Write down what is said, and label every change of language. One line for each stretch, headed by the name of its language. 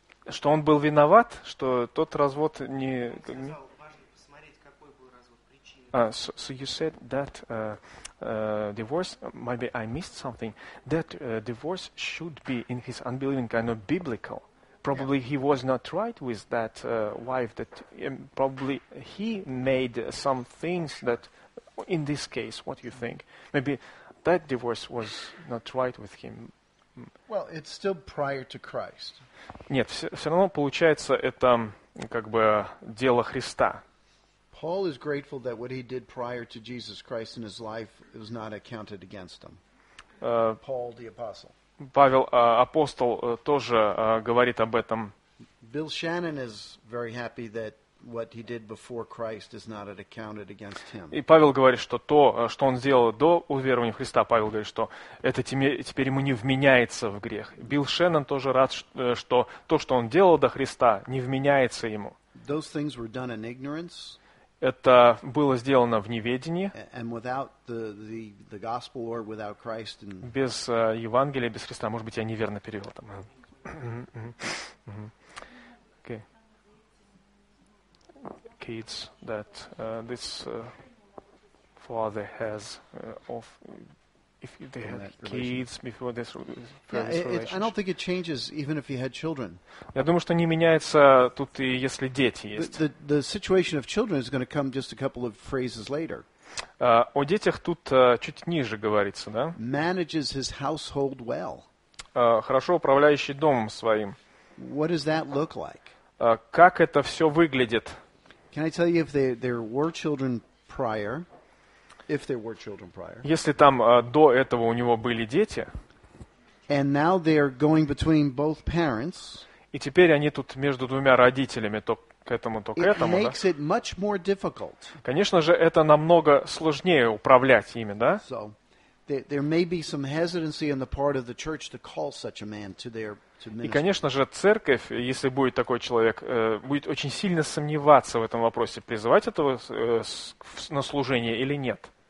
Russian: Что он был виноват, что тот развод не... Он сказал, важно посмотреть, какой был развод, причиной.
English: So you said that divorce, maybe I missed something, that divorce should be in his unbelieving kind of biblical. Probably he was not right with that wife, that probably he made some things that, in this case, what you think? Maybe that divorce was not right with him. Well, it's still prior to Christ.
Russian: Нет, все равно получается это дело Христа.
English: Paul is grateful that what he did prior to Jesus Christ in his life was not accounted against him. Paul the apostle.
Russian: Павел апостол тоже говорит об этом.
English: Bill Shannon is very happy that what he did before Christ is not accounted against him.
Russian: И Павел говорит, что то, что он сделал до уверования в Христа, Павел говорит, что это теперь ему не вменяется в грех. Билл Шеннон тоже рад, что то, что он делал до Христа, не вменяется ему.
English: Those things were done in ignorance.
Russian: Это было сделано в неведении.
English: And without the gospel or without Christ.
Russian: Без Евангелия, без Христа, может быть, я неверно перевел там.
English: Kids that this father has of if they had kids before this I don't think it changes even if he had children.
Russian: Я думаю, что не меняется тут и если дети есть.
English: The situation of children is going to come just a couple of phrases later.
Russian: О детях тут чуть ниже говорится, да?
English: Manages his household well.
Russian: Хорошо управляющий домом своим.
English: What does that look like?
Russian: Как это все выглядит?
English: Can I tell you if there were children prior, if there were children prior?
Russian: Если там до этого у него были дети.
English: And now they're going between both parents.
Russian: И теперь они тут между двумя родителями, то к этому, то к этому.
English: It makes it much more difficult.
Russian: Конечно же, это намного сложнее управлять ими, да?
English: So, there may be some hesitancy on the part of the church to call such a man to their to ministry.
Russian: И, конечно же, церковь, если будет такой человек, будет очень сильно сомневаться в этом вопросе, призывать этого на служение или нет.